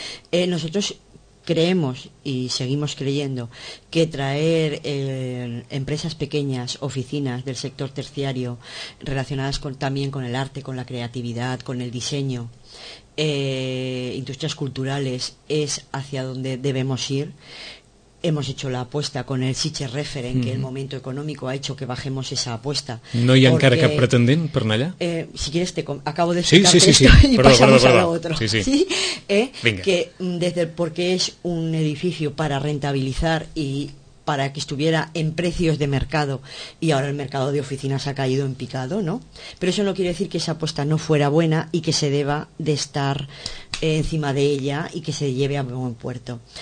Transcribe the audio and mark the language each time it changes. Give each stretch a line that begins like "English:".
Spanish: Nosotros creemos y seguimos creyendo que traer empresas pequeñas, oficinas del sector terciario relacionadas también con el arte, con la creatividad, con el diseño, industrias culturales, es hacia donde debemos ir. Hemos hecho la apuesta con el Sitges Referent, que el momento económico ha hecho que bajemos esa apuesta. ¿No hay
Catalan: encara cap pretendent per allà?
Spanish: Si quieres te acabo de explicar esto y pasamos a lo otro. Sí, sí. ¿Sí? Que desde, porque es un edificio para rentabilizar y para que estuviera en precios de mercado, y ahora el mercado de oficinas ha caído en picado, ¿no? Pero eso no quiere decir que esa apuesta no fuera buena y que se deba de estar encima de ella y que se lleve a buen puerto.